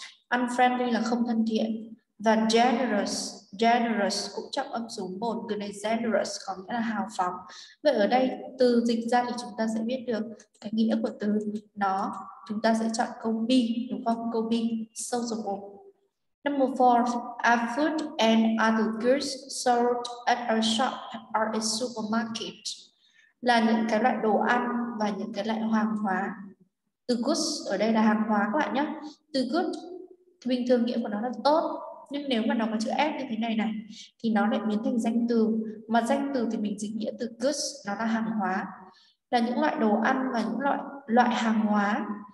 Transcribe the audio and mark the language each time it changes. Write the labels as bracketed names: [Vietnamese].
[Vietnamese] Unfriendly là không thân thiện. Và generous cũng trong âm số 1. Từ này generous có nghĩa là hào phóng. Vậy ở đây từ dịch ra thì chúng ta sẽ biết được cái nghĩa của từ nó. Chúng ta sẽ chọn câu B, đúng không? Câu B, sociable. [English] Number 4, our food and other goods sold at our shop or a supermarket. [Vietnamese] Là những cái loại đồ ăn và những cái loại hàng hóa. Từ goods ở đây là hàng hóa các bạn nhé. Từ good thì bình thường nghĩa của nó là tốt. Nhưng nếu mà nó có chữ S như thế này này thì nó lại biến thành danh từ. Mà danh từ thì mình dịch nghĩa từ goods, nó là hàng hóa. Là những loại đồ ăn và những loại hàng hóa.